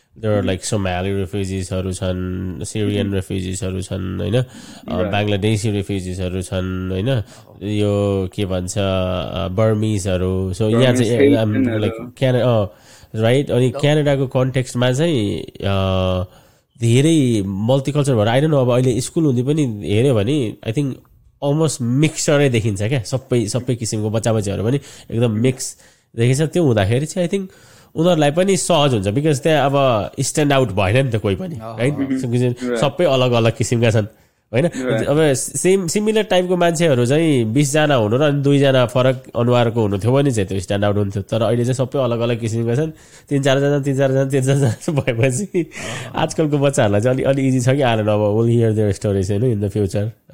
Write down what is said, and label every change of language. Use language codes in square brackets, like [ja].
[en] There are like Somali refugees [ne] haru chhan, Syrian [en] refugees [ne] haru chhan, haina [en] Bangladeshi refugees [ne] haru chhan, haina yo ke bhancha [en] Burmese [ne] haru. [en] So yeah, I'm like Canada, right? [ne] Ani Canada ko context ma chai धेरै multiculture भएर आइरहनु. अब अहिले school हुँदै पनि हेऱ्यो भने [en] I think [ne] almost मिक्सरै देखिन्छ क्या, सबै किसिमको बच्चा बच्चीहरू पनि एकदम मिक्स देखिन्छ. त्यो हुँदाखेरि चाहिँ [en] I think [ne] उनीहरूलाई पनि सहज हुन्छ, [en] because [ne] त्यहाँ अब स्ट्यान्ड आउट भएन नि त कोही पनि, है? सबै अलग अलग किसिमका छन् होइन. अब सिमिलर टाइपको मान्छेहरू चाहिँ 20 हुनु र अनि 2 फरक अनुहारको हुनु थियो भने चाहिँ त्यो स्ट्यान्ड आउट हुन्थ्यो, तर अहिले चाहिँ सबै अलग अलग किसिमका छन्. तिन चारजना भएपछि आजकलको बच्चाहरूलाई चाहिँ अलिक इजी छ कि आएर. अब [en] will hear their stories [ne] होइन [en] In the future.